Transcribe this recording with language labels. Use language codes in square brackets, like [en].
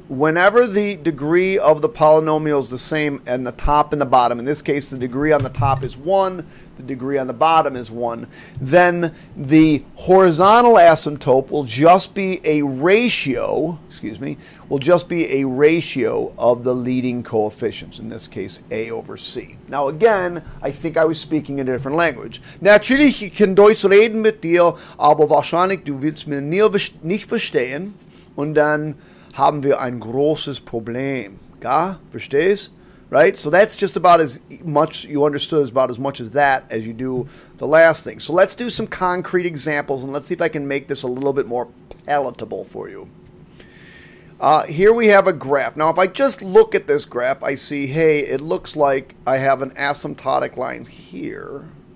[en] Whenever the degree of the polynomial is the same and the top and the bottom, in this case the degree on the top is 1, the degree on the bottom is 1, then the horizontal asymptote will just be a ratio, will just be a ratio of the leading coefficients, in this case a over c. Now again, I think I was speaking in a different language. [de] Natürlich, ich kann Deutsch reden mit dir, aber wahrscheinlich du willst mir nicht verstehen und dann haben wir ein großes Problem. Ja? Verstehst? [en] Right? So that's just about as much, you understood about as much as that as you do the last thing. So let's do some concrete examples and let's see if I can make this a little bit more palatable for you. Here we have a graph. Now if I just look at this graph, I see, hey, it looks like I have an asymptotic line here.